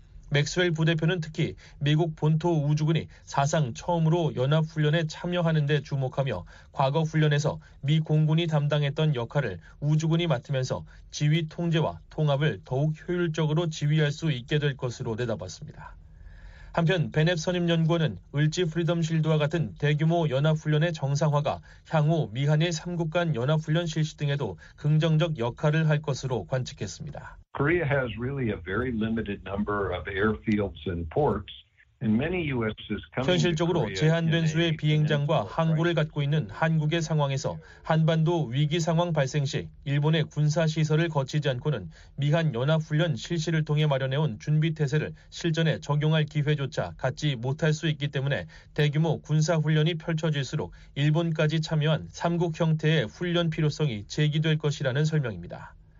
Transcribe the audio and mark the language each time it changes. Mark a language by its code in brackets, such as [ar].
[ko] 맥스웰 부대표는 특히 미국 본토 우주군이 사상 처음으로 연합훈련에 참여하는 데 주목하며 과거 훈련에서 미 공군이 담당했던 역할을 우주군이 맡으면서 지휘 통제와 통합을 더욱 효율적으로 지휘할 수 있게 될 것으로 내다봤습니다. 한편 베넷 선임연구원은 을지 프리덤 실드와 같은 대규모 연합훈련의 정상화가 향후 미한일 3국 간 연합훈련 실시 등에도 긍정적 역할을 할 것으로 관측했습니다. [en] Korea has really a very limited number of airfields and ports. [ko] 현실적으로 제한된 수의 비행장과 항구를 갖고 있는 한국의 상황에서 한반도 위기 상황 발생 시 일본의 군사시설을 거치지 않고는 미한 연합훈련 실시를 통해 마련해온 준비태세를 실전에 적용할 기회조차 갖지 못할 수 있기 때문에 대규모 군사훈련이 펼쳐질수록 일본까지 참여한 3국 형태의 훈련 필요성이 제기될 것이라는 설명입니다.